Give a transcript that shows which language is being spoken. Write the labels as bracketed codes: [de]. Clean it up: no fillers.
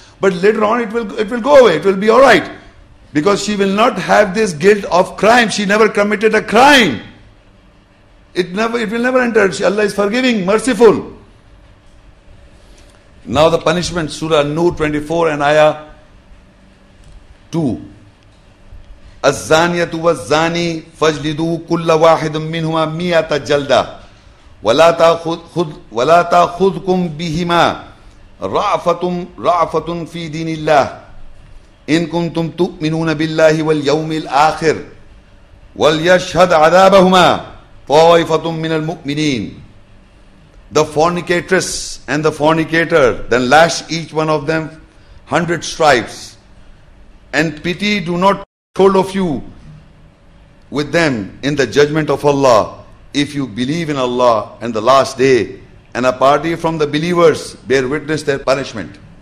[en] But later on, it will go away. It will be all right. Because she will not have this guilt of crime. She never committed a crime. It will never enter. Allah is forgiving, merciful. Now the punishment, Surah An-Nur 24 and Ayah 2. [ar] الزانيه والزاني فاجلدوا كل واحد منهما 100 جلده ولا تاخذكم بهما رافه في دين الله ان كنتم تؤمنون بالله واليوم الاخر وليشهد عذابهما طائفه من المؤمنين. [en] The fornicatress and the fornicator, then lash each one of them 100 stripes, and pity do not told of you with them in the judgment of Allah if you believe in Allah and the last day, and a party from the believers bear witness their punishment.